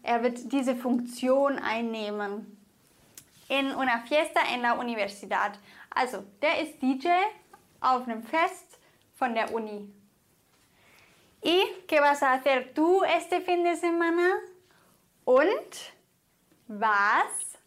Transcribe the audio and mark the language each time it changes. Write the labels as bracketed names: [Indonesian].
[German] Er wird diese Funktion einnehmen. [Spanish] En una fiesta en la universidad. [German] Also, der ist DJ auf einem Fest von der Uni. [Spanish] ¿Y qué vas a hacer tú este fin de semana? [German] Und was